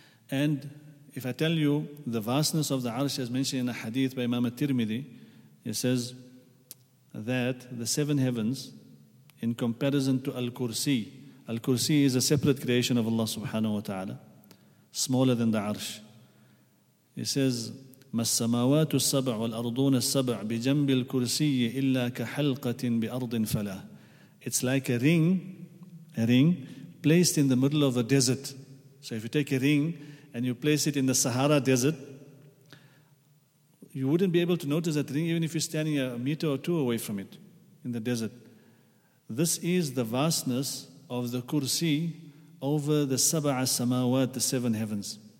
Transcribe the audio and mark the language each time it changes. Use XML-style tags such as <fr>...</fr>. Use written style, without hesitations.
<en>And if I tell you the vastness of the arsh, as mentioned in a hadith by Imam al-Tirmidhi, it says that the seven heavens, in comparison to al-Kursi, al-Kursi is a separate creation of Allah subhanahu wa ta'ala, smaller than the arsh.</en> <ar>It says, السماوات السبع والأرضون السبع بجنب الكرسي إلا كحلقة بأرض فلا.</ar> <en>It's like a ring placed in the middle of a desert. So if you take a ring and you place it in the Sahara desert, you wouldn't be able to notice that ring even if you're standing a meter or two away from it in the desert. This is the vastness of the kursi over the</en> <ar>سبع السماوات,</ar> <en>the seven heavens.</en>